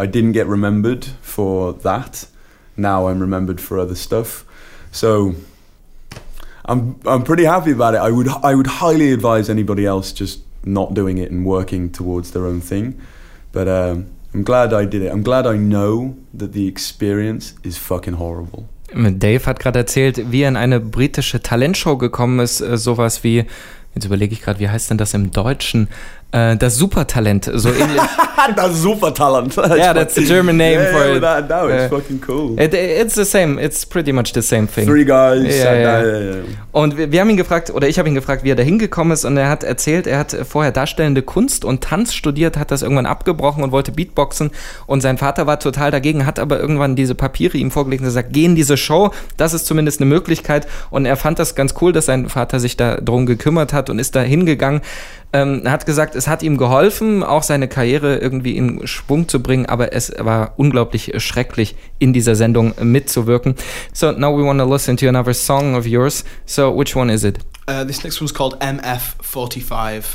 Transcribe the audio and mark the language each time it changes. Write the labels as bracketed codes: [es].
[en] I didn't get remembered for that. Now I'm remembered for other stuff. So I'm pretty happy about it. I would highly advise anybody else just not doing it and working towards their own thing. But I'm glad I did it. I'm glad I know that the experience is fucking horrible. [de] Dave hat gerade erzählt, wie er in eine britische Talentshow gekommen ist. Sowas wie, jetzt überlege ich gerade, wie heißt denn das im Deutschen? Das Supertalent. So das Supertalent. [en] Yeah, that's the German name yeah, for yeah, it. Without a doubt, it's fucking cool. It's the same. It's pretty much the same thing. Three guys. Yeah, yeah. [de] Und wir haben ihn gefragt, oder ich habe ihn gefragt, wie er da hingekommen ist. Und er hat erzählt, er hat vorher darstellende Kunst und Tanz studiert, hat das irgendwann abgebrochen und wollte Beatboxen. Und sein Vater war total dagegen, hat aber irgendwann diese Papiere ihm vorgelegt und gesagt, geh in diese Show, das ist zumindest eine Möglichkeit. Und er fand das ganz cool, dass sein Vater sich da drum gekümmert hat und ist da hingegangen. Er hat gesagt, es hat ihm geholfen, auch seine Karriere irgendwie in Schwung zu bringen, aber es war unglaublich schrecklich, in dieser Sendung mitzuwirken. [en] So, now we want to listen to another song of yours. So, which one is it? This next one's called MF45.